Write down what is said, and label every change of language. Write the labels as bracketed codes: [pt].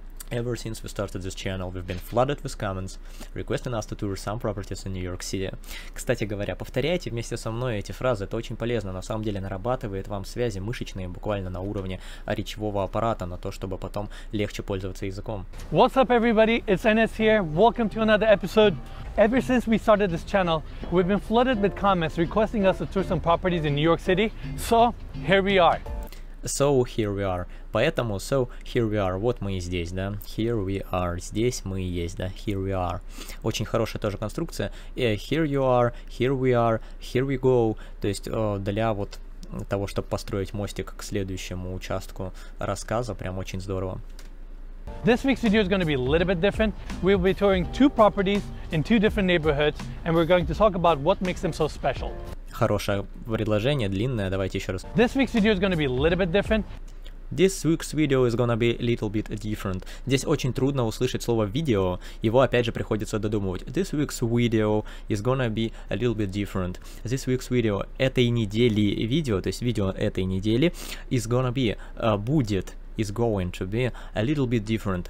[en] Ever since we started this channel, we've been flooded with comments requesting us to tour some properties in New York City. [ru] Кстати говоря, повторяйте вместе со мной эти фразы, это очень полезно, на самом деле нарабатывает вам связи мышечные буквально на уровне речевого аппарата, на то, чтобы потом легче пользоваться языком. [en] What's up, everybody? It's NS here. Welcome to another episode. Ever since we started this channel, we've been flooded with comments requesting us to tour some properties in New York City. So, here we are. So here we are. [ru] Поэтому [en] so here we are. [ru] Вот мы и здесь, да? [en] Here we are. [ru] Здесь мы и есть, да? [en] Here we are. [ru] Очень хорошая тоже конструкция. [en] Here you are. Here we are. Here we go. [ru] То есть для вот того, чтобы построить мостик к следующему участку рассказа, прям очень здорово. [en] This week's video is going to be a little bit different. We'll be touring two properties in two different neighborhoods, and we're going to talk about what makes them so special. [ru] Хорошее предложение, длинное. Давайте еще раз. [en] This week's video is going to be a little bit different. This week's video is going to be a little bit different. [ru] Здесь очень трудно услышать слово видео. Его опять же приходится додумывать. [en] This week's video is going to be a little bit different. This week's video, [ru] этой недели видео, то есть видео этой недели, [en] is going to be, [ru] будет, [en] is going to be a little bit different.